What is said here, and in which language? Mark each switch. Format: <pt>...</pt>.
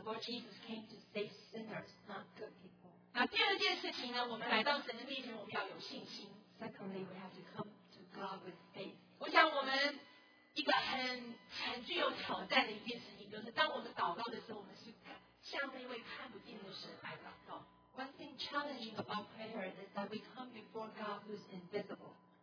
<en>the Lord Jesus came to save sinners, not good people.</en> <zh>那第二件事情呢，我们来到神的面前，我们要有信心。</zh> <en>Secondly, we have to come to God with faith.</en> <zh>我想我们一个很具有挑战的一件事情，就是当我们祷告的时候，我们是向那位看不见的神来祷告。</zh> <en>One thing challenging about prayer is that we come before God who's invisible.</en>